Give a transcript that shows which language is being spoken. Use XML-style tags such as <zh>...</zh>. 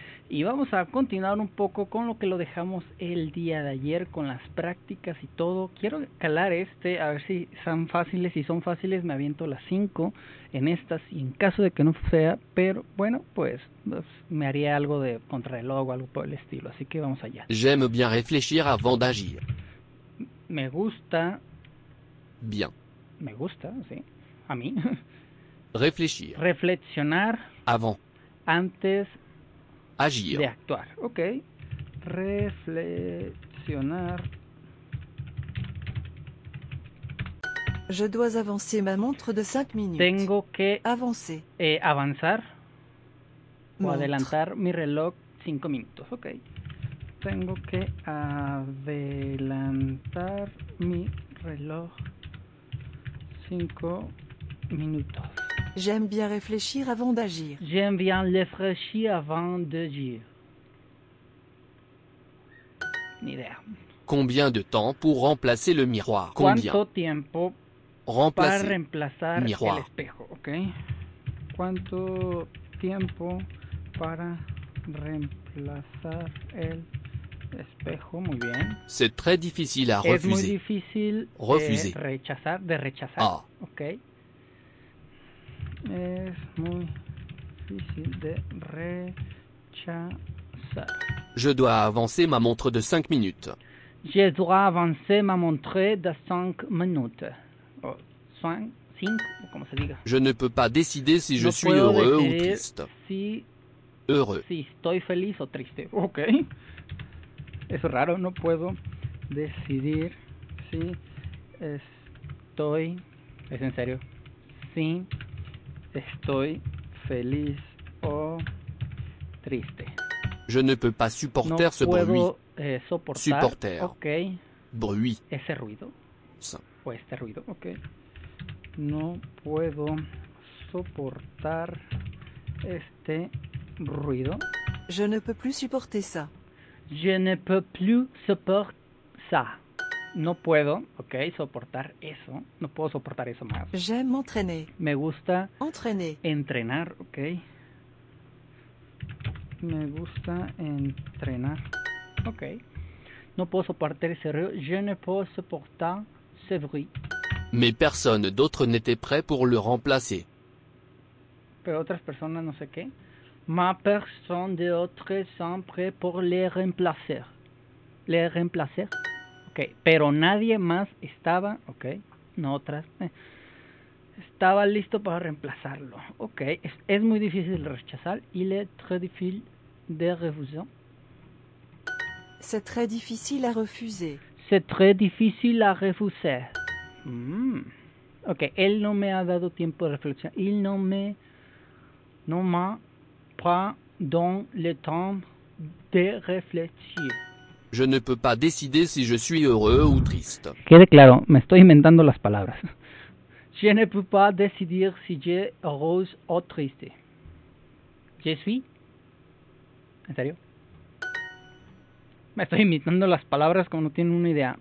<es>Y vamos a continuar un poco con lo que lo dejamos el día de ayer con las prácticas y todo. Quiero calar este, a ver si son fáciles. Si son fáciles, me aviento las 5 en estas y en caso de que no sea, pero bueno, pues me haría algo de contrarreloj o algo por el estilo. Así que vamos allá.</es> <fr>J'aime bien réfléchir avant d'agir.</fr> <es>Me gusta. Bien. Me gusta, sí. A mí.</es> <fr>Réfléchir.</fr> <es>Reflexionar.</es> <fr>Avant.</fr> <es>Antes.</es> <fr>Agir.</fr> <es>De actuar. Ok. Reflexionar.</es> <fr>Je dois avancer ma montre de 5 minutes.</fr> <es>Tengo que.</es> <fr>Avancer.</fr> <es>Avanzar. O montre. Adelantar mi reloj 5 minutos. Ok. Tengo que adelantar mi reloj 5 minutos. Minuto.</es> <fr>J'aime bien réfléchir avant d'agir. J'aime bien réfléchir avant d'agir.</fr> <es>Ni idea.</es> <fr>Combien de temps pour remplacer le miroir? Combien?</fr> <es>¿Cuánto tiempo</es> <fr>remplacer</fr> <es>para reemplazar</es> <fr>miroir?</fr> <es>El espejo, okay? ¿Cuánto tiempo para reemplazar el espejo? Muy bien.</es> <fr>C'est très difficile à</fr> <es>es</es> <fr>refuser.</fr> <es>Es muy difícil</es> <fr>refuser.</fr> <es>Rechazar, de rechazar. Ah. Okay. Es muy difícil de rechazar.</es> <fr>Je dois avancer ma montre de 5 minutes. Je dois avancer ma montre de 5 minutes.</fr> <es>Oh, 5, ¿cómo se diga?</es> <fr>Je ne peux pas décider si je suis heureux ou triste.</fr> <es>Si</es> <fr>heureux.</fr> <es>Si estoy feliz o triste. Ok. Es raro, no puedo decidir si estoy. ¿Es en serio? Si. Estoy feliz o triste.</es> <fr>Je ne peux pas supporter</fr> <es>no</es> <fr>ce</fr> <es>puedo,</es> <fr>bruit.</fr> <es>Soportar.</es> <fr>Supporter. Ok. Bruit.</fr> <es>Ese ruido. Sí. O este ruido. Ok. No puedo soportar este ruido.</es> <fr>Je ne peux plus supporter ça. Je ne peux plus supporter ça.</fr> <es>No puedo, ok, soportar eso. No puedo soportar eso más.</es> <fr>J'aime entrenar.</fr> <es>Me gusta entrenar. Entrenar, ok. Me gusta entrenar. Ok. No puedo soportar ese ruido.</es> <fr>Je ne peux supporter ce bruit. Mais personne d'autre n'était prêt pour le remplacer.</fr> <es>Pero otras personas no sé qué.</es> <fr>Ma personne d'autre sont prêts pour les remplacer. Les remplacer. Okay.</fr> <es>Pero nadie más estaba, ok, no otras, estaba listo para reemplazarlo, ok, es muy difícil rechazar,</es> <fr>il est très difficile de refuser. C'est très difficile à refuser. C'est très difficile à refuser.</fr> <es>Ok, él no me ha dado tiempo de reflexión, il no me,</es> <fr>no m'a pas donné le temps de réfléchir. Je ne peux pas décider si je suis heureux ou triste.</fr> <es>Quede claro, me estoy inventando las palabras.</es> <fr>Je ne peux pas décider si je suis heureux ou triste. Je suis.</fr> <es>¿En serio? Me estoy inventando las palabras como no tienen una idea.</es>